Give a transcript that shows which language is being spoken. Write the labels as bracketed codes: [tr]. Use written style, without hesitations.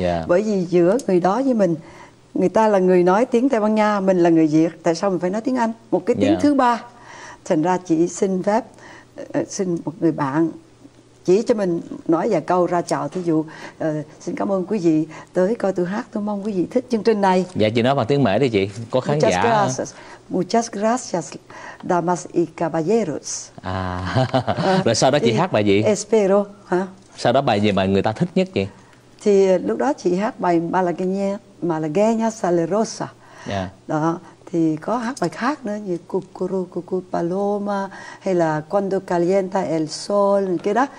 [vi] Bởi vì giữa người đó với mình, người ta là người nói tiếng Tây Ban Nha, mình là người Việt, tại sao mình phải nói tiếng Anh? Một cái tiếng thứ ba. Thành ra chị xin phép, xin một người bạn chỉ cho mình nói vài câu ra chào, thí dụ xin cảm ơn quý vị tới coi tôi hát, tôi mong quý vị thích chương trình này. Dạ, chị nói bằng tiếng Mễ đi chị, có khán [es] muchas [vi] giả. [es] Gracias. Muchas gracias, damas y caballeros. [vi] Rồi sau đó chị hát bài gì? [es] Espero. [vi] Sau đó bài gì mà người ta thích nhất chị? Thì lúc đó chị hát bài Malagueña Salerosa. Đó. Thì có hát bài khác nữa như Cucuru Cucu Paloma hay là Cuando Calienta El Sol, cái đó.